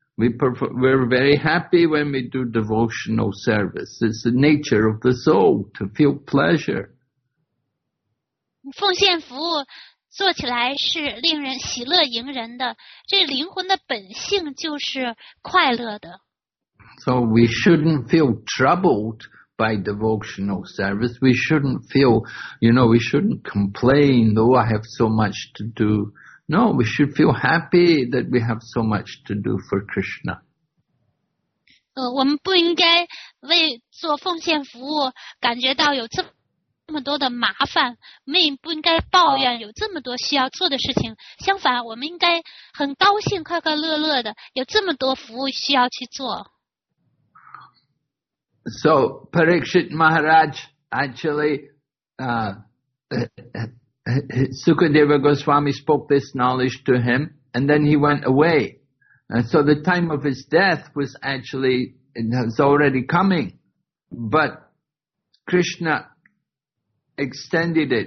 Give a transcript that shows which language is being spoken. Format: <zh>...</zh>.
<en>We're very happy when we do devotional service. It's the nature of the soul to feel pleasure.</en> <zh>奉献服务做起来是令人喜乐盈人的，这灵魂的本性就是快乐的。</zh> <en>So we shouldn't feel troubled by devotional service. We shouldn't feel, you know, we shouldn't complain, though I have so much to do. No, we should feel happy that we have so much to do for Krishna.</en> <zh>我们不应该为做奉献服务感觉到有这么多的麻烦，我们不应该抱怨有这么多需要做的事情。相反，我们应该很高兴，快快乐乐的，有这么多服务需要去做。</zh> <en>So Parikshit Maharaj actually, Sukadeva Goswami spoke this knowledge to him, and then he went away. And so the time of his death was actually has already coming, but Krishna extended it.</en>